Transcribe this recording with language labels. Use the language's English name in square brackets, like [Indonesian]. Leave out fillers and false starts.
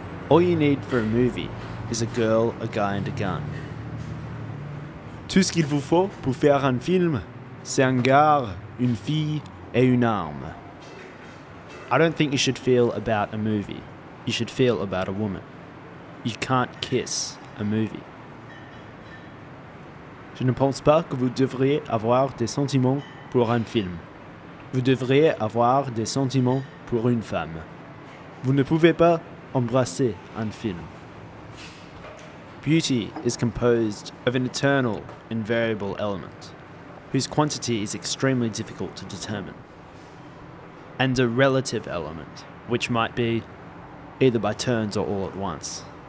[English] All you need for a movie is a girl, a guy, and a gun. [French] Tout ce qu'il vous faut pour faire un film, c'est un gars, une fille, et une arme. [English] I don't think you should feel about a movie. You should feel about a woman. You can't kiss a movie. [French] Je ne pense pas que vous devriez avoir des sentiments pour un film. Vous devriez avoir des sentiments pour une femme. Vous ne pouvez pas embrasser un film. [English] Beauty is composed of an eternal and variable element, whose quantity is extremely difficult to determine, and a relative element, which might be either by turns or all at once.